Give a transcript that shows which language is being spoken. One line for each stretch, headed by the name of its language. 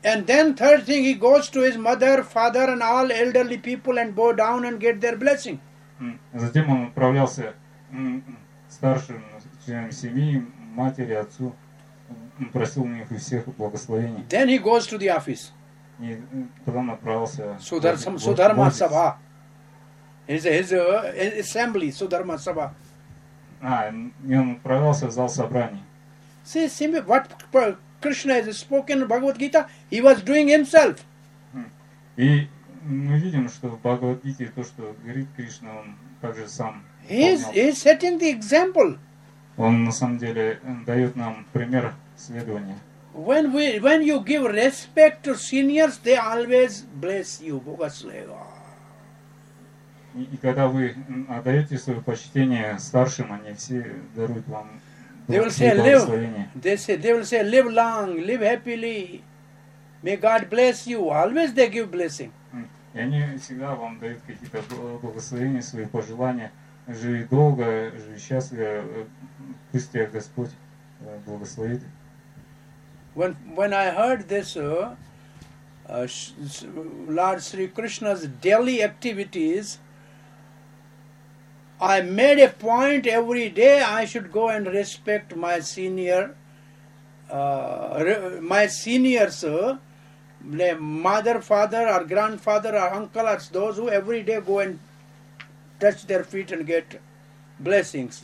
English: And then third thing, he goes to his mother, father, and all elderly people and bow down and get their blessing.
Russian: Затем он отправлялся старшим членам семьи, матери, отцу. Просил у них у всех благословений.
English: Then he goes to the office.
Russian: И туда направился.
English: Sudharma Sabha. His assembly, Sudharma Sabha.
Russian: И он отправился в зал собраний.
English: See, what Krishna has spoken in Bhagavad Gita, he was doing himself.
Russian: И мы видим, что в Бхагавад Гите то, что говорит Кришна, он также сам.
English: He's setting the example.
Russian: Он на самом деле дает нам пример. Следование.
English: When you give respect to seniors, they always bless you, Bogasleva.
Russian: И когда вы отдаете свое почтение старшим, они все даруют вам благословение.
English: They will say, live long, live happily. May God bless you. Always they give blessing.
Russian: И они всегда вам дают какие-то благословения, свои пожелания. Живи долго, живи счастливо. Пусть тебя Господь благословит.
English: When I heard this, Lord Sri Krishna's daily activities, I made a point every day I should go and respect my senior, my seniors, mother, father, or grandfather, or uncle, or those who every day go and touch their feet and get blessings.